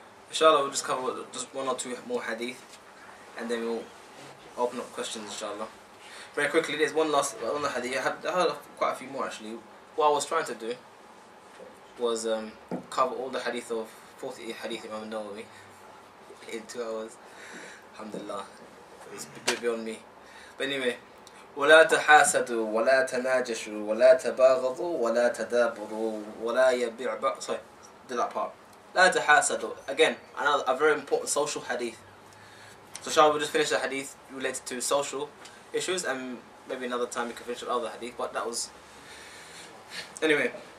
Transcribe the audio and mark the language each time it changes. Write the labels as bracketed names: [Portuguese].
[English] Inshallah, we'll just cover just one or two more hadith, and then we'll open up questions, inshallah. Very quickly, there's one last hadith. I had quite a few more, actually. What I was trying to do was cover all the hadith of 48 hadith Imaam al-Nawawi in 2 hours. Alhamdulillah. It's beyond me. But anyway, [Arabic] ولا تحاسدوا ولا تناجشوا ولا تباغضوا ولا تدابروا ولا يبيع بعض. [English] Sorry, did that part. [Arabic] لا تحاسدوا. [English] Again, another a very important social hadith. So shall we just finish the hadith related to social issues, and maybe another time we can finish another hadith. But that was anyway.